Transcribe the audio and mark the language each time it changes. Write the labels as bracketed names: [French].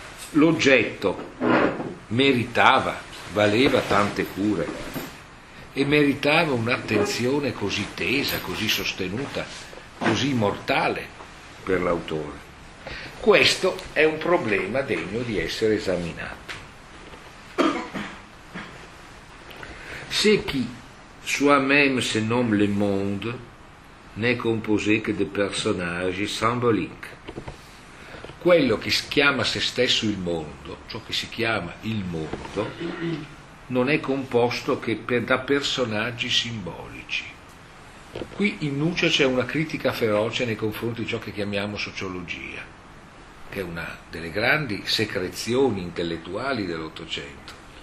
[Italian] L'oggetto meritava, valeva tante cure e meritava un'attenzione così tesa, così sostenuta, così mortale per l'autore. Questo è un problema degno di essere esaminato. [French] Ce qui soi-même se nomme le monde n'est composé que de personnages symboliques. [Italian] Quello che chiama se stesso il mondo, ciò che si chiama il mondo, non è composto che da personaggi simbolici. Qui in Nuccia c'è una critica feroce nei confronti di ciò che chiamiamo sociologia, che è una delle grandi secrezioni intellettuali dell'Ottocento.